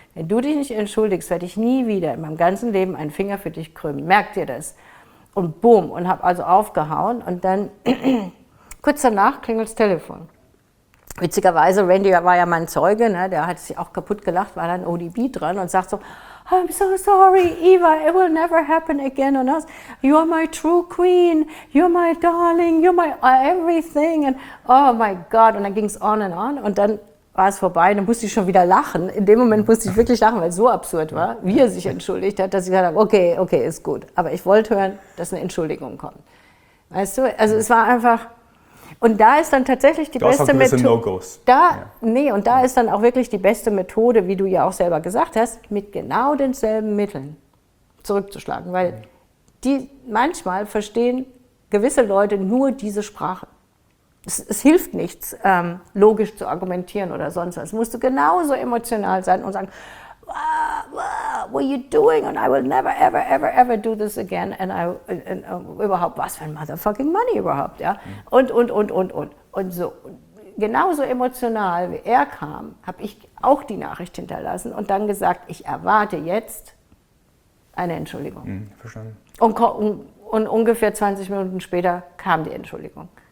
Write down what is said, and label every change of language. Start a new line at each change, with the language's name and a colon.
German: Wenn du dich nicht entschuldigst, werde ich nie wieder in meinem ganzen Leben einen Finger für dich krümmen. Merkt ihr das? Und boom, und habe also aufgehauen. Und dann, kurz danach klingelt das Telefon. Witzigerweise, Randy war ja mein Zeuge, ne? Der hat sich auch kaputt gelacht, war dann ODB dran und sagt so,
English: I'm so sorry, Eva, it will never happen again on us. You're my true queen, you're my darling, you're my everything. And oh my God,
German: und dann ging es
English: on and on
German: und dann war es vorbei. Dann musste ich schon wieder lachen. In dem Moment musste ich wirklich lachen, weil es so absurd war, wie er sich entschuldigt hat, dass ich gesagt habe, okay, ist gut. Aber ich wollte hören, dass eine Entschuldigung kommt. Weißt du, also es war einfach... Und da ist dann tatsächlich die beste Methode. Ist dann auch wirklich die beste Methode, wie du ja auch selber gesagt hast, mit genau denselben Mitteln zurückzuschlagen. Weil die manchmal verstehen gewisse Leute nur diese Sprache. Es hilft nichts, logisch zu argumentieren oder sonst was. Musst du genauso emotional sein und sagen,
English: what are you doing? And I will never, ever, ever, ever do this again.
German: And überhaupt, was für ein
English: motherfucking money
German: überhaupt, ja? Und so. Genauso emotional wie er kam, habe ich auch die Nachricht hinterlassen und dann gesagt, ich erwarte jetzt eine Entschuldigung. Verstanden. Und ungefähr 20 Minuten später kam die Entschuldigung.